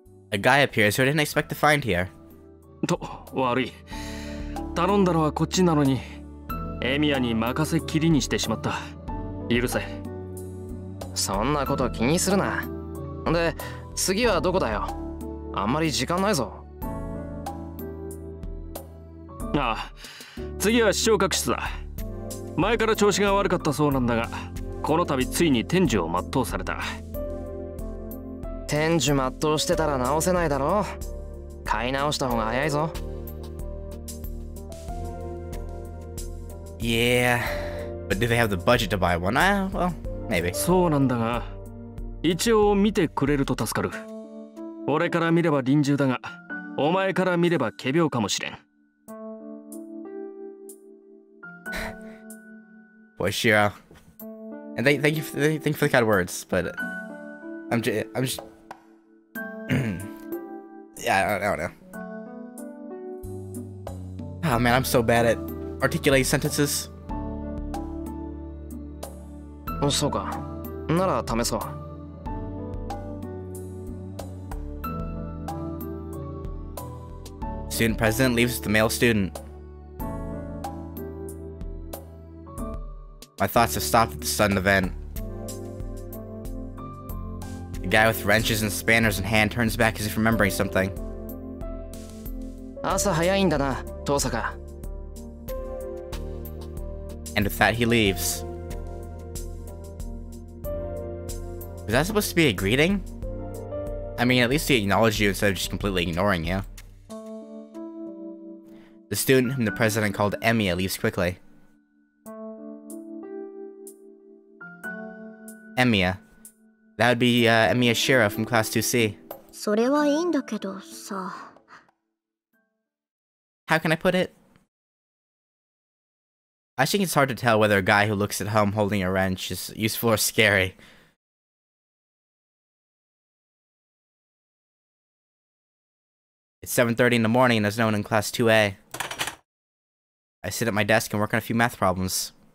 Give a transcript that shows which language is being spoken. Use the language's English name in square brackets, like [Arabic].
[English] A guy appears who I didn't expect to find here. [Japanese] と、悪い。頼んだのはこっちなのに、エミヤに任せきりにしてしまった。許せ。そんなこと気にするな。で、次はどこだよ。あんまり時間ないぞ。ああ、次は視聴覚室だ。前から調子が悪かったそうなんだが、この度ついに天寿を全うされた。天寿全うしてたら直せないだろう。買い直した方が早いぞ。 [English] Yeah, but do they have the budget to buy one? Well, maybe. [Japanese] そうなんだが、一応見てくれると助かる。俺から見れば臨終だが、お前から見れば仮病かもしれん。 [English] Boy, Shiro. And thank you for the kind words, but I'm just... Yeah, I don't know. Oh man, I'm so bad at articulating sentences. Oh, so [Japanese] か。なら試そう。 [English] Student president leaves the male student. My thoughts have stopped at the sudden event. The guy with wrenches and spanners in hand turns back as if remembering something. [Japanese] 朝早いんだな、トーサカ。 [English] And with that, he leaves. Was that supposed to be a greeting? I mean, at least he acknowledged you instead of just completely ignoring you. The student whom the president called Emiya leaves quickly. Emiya. That would be, Emiya Shira from Class 2C. [Japanese] それはいいんだけどさ。 [English] How can I put it? I think it's hard to tell whether a guy who looks at home holding a wrench is useful or scary. It's 7:30 in the morning and there's no one in Class 2A. I sit at my desk and work on a few math problems.